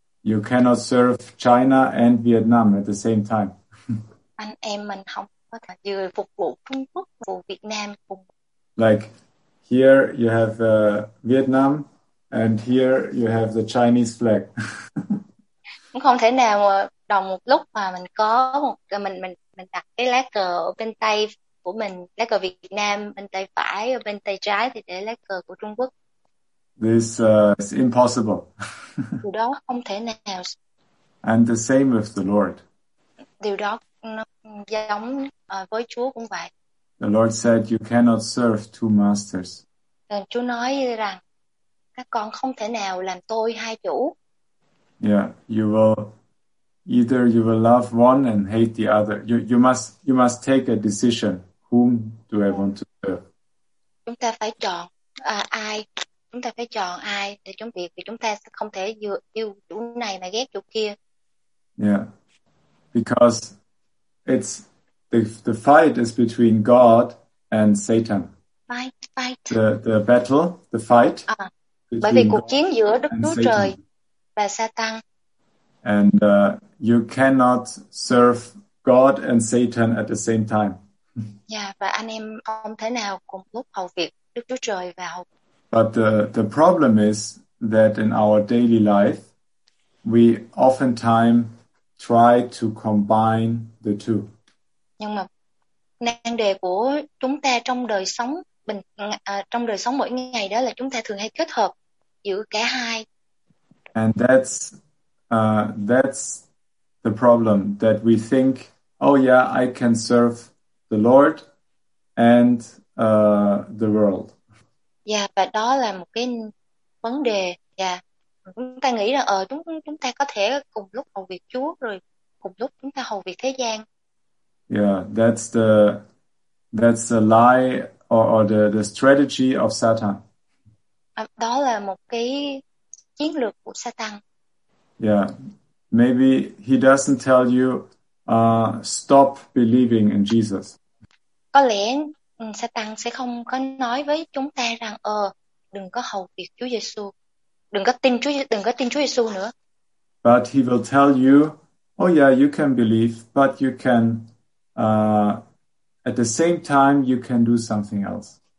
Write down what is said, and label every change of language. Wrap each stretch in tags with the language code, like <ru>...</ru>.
<en>You cannot serve China and Vietnam at the same time.</en> <vi>Anh em mình không có thể vừa phục vụ Trung Quốc, phục vụ Việt Nam cùng.</vi> <en>Like here you have Vietnam and here you have the Chinese flag.</en> <vi>Cũng không thể nào mà đồng một lúc mà mình có một mình đặt cái lá cờ ở bên tay của mình, lá cờ Việt Nam bên tay phải, ở bên tay trái thì để lá cờ của Trung Quốc.</vi> <en>This is impossible.</en> <vi>Điều đó không thể nào.</vi> <en>And the same with the Lord.</en> <vi>Điều đó nó giống với Chúa cũng vậy.</vi> <en>The Lord said you cannot serve two masters.</en> <vi>Chúa nói rằng các con không thể nào làm tôi hai chủ.</vi> <en>Yeah, you will either you will love one and hate the other. You must take a decision. Whom do I want to serve?</en> <vi>Chúng ta phải chọn ai. Chúng ta phải chọn ai để chuẩn bị vì chúng ta sẽ không thể yêu chủ này mà ghét chủ kia.</vi> <en>Yeah, because it's the fight is between God and Satan. Fight. The battle, the fight.</en> <vi>Bởi vì cuộc chiến giữa Đức Chúa Trời và Satan.</vi> <en>And you cannot serve God and Satan at the same time.</en> <vi>Yeah, và anh em không thể nào cùng lúc hầu việc Đức Chúa Trời và hầu.</vi> <en>But the problem is that in our daily life, we oftentimes try to combine the two.</en> <vi>Nhưng mà nan đề của chúng ta trong đời sống trong đời sống mỗi ngày đó là chúng ta thường hay kết hợp giữa cả hai.</vi> <en>And that's the problem that we think, oh yeah, I can serve the Lord and the world.</en> <vi>Yeah, và đó là một cái vấn đề. Yeah. Chúng ta nghĩ là chúng ta có thể cùng lúc hầu việc Chúa rồi cùng lúc chúng ta hầu việc thế gian.</vi> <en>Yeah, that's the lie or the strategy of Satan.</en> <vi>Đó là một cái chiến lược của Satan.</vi> <en>Yeah, maybe he doesn't tell you stop believing in Jesus.</en> <vi>Có lẽ Satan sẽ không có nói với chúng ta rằng đừng có hầu việc Chúa Giêsu, đừng có tin Chúa Giêsu nữa.</vi> <en>But he will tell you, oh yeah, you can believe, but you can at the same time you can do something else.</en>